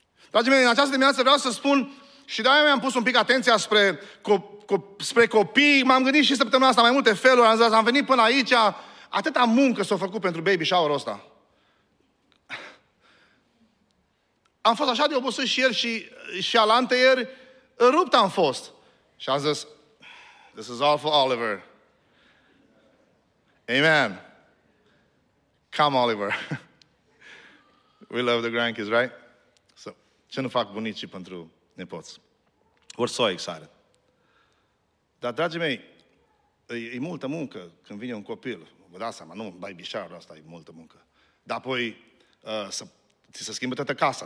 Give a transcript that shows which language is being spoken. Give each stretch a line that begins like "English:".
Romanian: Dragii mei, în această dimineață vreau să spun. Și de-aia mi-am pus un pic atenția spre copii. M-am gândit și săptămâna asta mai multe feluri. Am venit până aici. Atâta muncă s-a făcut pentru baby shower-ul ăsta. Am fost așa de obosit și el și alante ieri. Rupt am fost. Și am zis,
English: this is all for Oliver. Amen. Come, Oliver. We love the grandkids, right?
Romanian: So, ce nu fac bunicii pentru nepoți?
English: We're so excited.
Romanian: Dar, dragii mei, e multă muncă când vine un copil. Vă dați seama, nu, baby shower-ul ăsta e multă muncă. Dar apoi, ți se schimbă toată casa.